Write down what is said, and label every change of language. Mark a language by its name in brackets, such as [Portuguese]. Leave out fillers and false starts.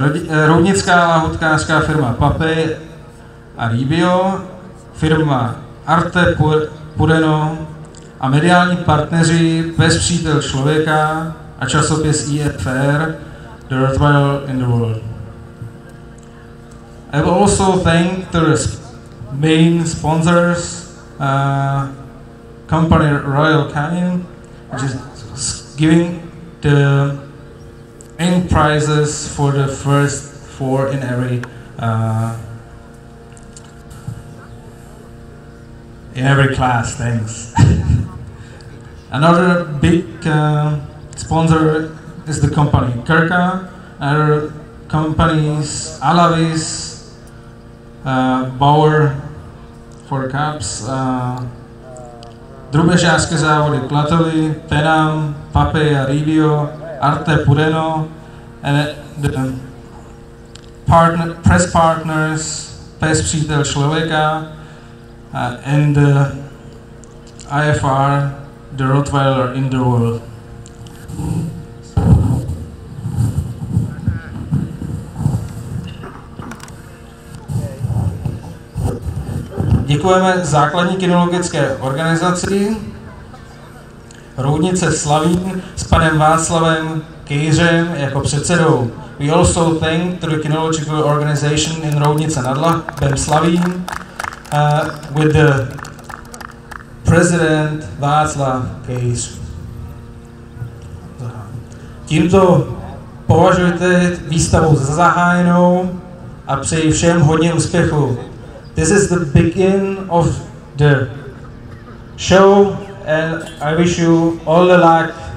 [Czech] Roudnická lahutkářská firma Pape a Rybio, firma Arte Pudeno a mediální partneři Bez přítel člověka a časopis EFR, The Rottweil in the World. [English] I will also thank the main sponsors, company Royal Canin, which is giving the end prizes for the first four in every class. Thanks. Another big sponsor is the company Kerka. Other companies Alavis, Bauer for cups. Drůbežářské závody Klatovy, Penam, Pape a Rybio, Arte Pudeno, and the press partners, Pes přítel člověka, and the IFR, the Rottweiler in the World. [Czech] Děkujeme základní kinologické organizaci Roudnice Slavín s panem Václavem Kejřem jako předsedou. [English] We also thank the kinological organization in Roudnice nad Labem Slavín with the president Václav Kejř. [Czech] Tímto považujte výstavu za zahájenou a přeji všem hodně úspěchu. [English] This is the beginning of the show, and I wish you all the luck.